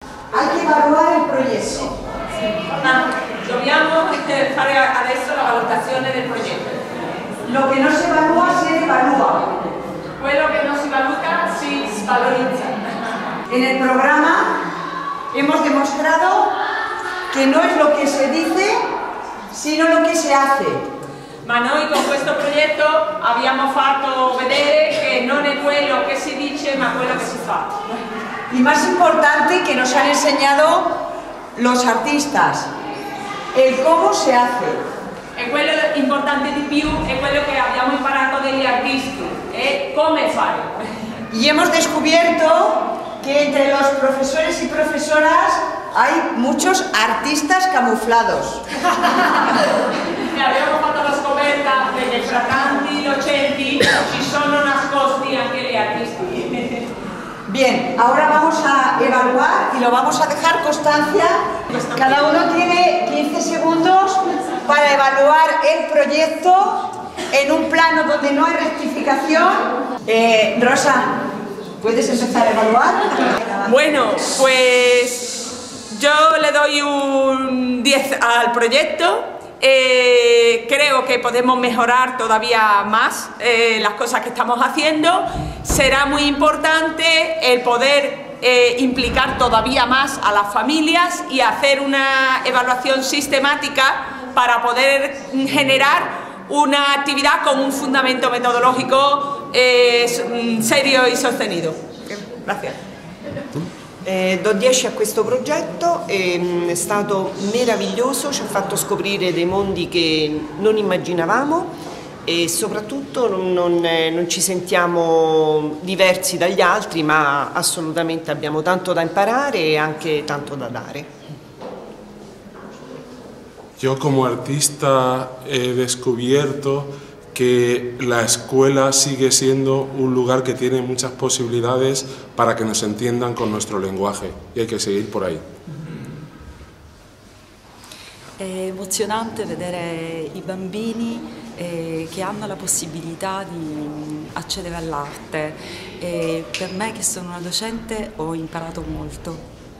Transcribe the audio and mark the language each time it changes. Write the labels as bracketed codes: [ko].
[it] anche evaluare il progetto. Ma dobbiamo fare adesso la valutazione del progetto. [es] Lo che non si evalua si devalua. [it] Quello che non si valuta si svalorizza. [es] En el programa hemos demostrado que no es lo que se dice, sino lo que se hace. [it] Ma noi con questo progetto abbiamo fatto vedere che non è quello che si dice, ma quello che si fa. [es] Y más importante que nos han enseñado los artistas, el cómo se hace. [it] E quello importante di più è quello che abbiamo imparato degli artisti, è come fare. [es] Y hemos descubierto que entre los profesores y profesoras hay muchos artistas camuflados. [it] Y abbiamo fatto la scoperta che tra tanti docenti ci sono nascosti anche gli artisti. [es] Bien, ahora vamos a evaluar y lo vamos a dejar constancia. Cada uno tiene 15 segundos para evaluar el proyecto en un plano donde no hay rectificación. Rosa, ¿puedes empezar a evaluar? Bueno, pues yo le doy un 10 al proyecto. Creo que podemos mejorar todavía más las cosas que estamos haciendo. Será muy importante el poder implicar todavía más a las familias y hacer una evaluación sistemática para poder generar una actividad con un fundamento metodológico serio y sostenido. Gracias. [it] Do 10 a questo progetto, è stato meraviglioso, ci ha fatto scoprire dei mondi che non immaginavamo e soprattutto non ci sentiamo diversi dagli altri, ma assolutamente abbiamo tanto da imparare e anche tanto da dare. Io come artista ho scoperto [es] que la escuela sigue siendo un lugar que tiene muchas posibilidades para que nos entiendan con nuestro lenguaje y hay que seguir por ahí. [it] È emozionante vedere i bambini che hanno la possibilità di accedere all'arte. Per me che sono una docente ho imparato molto.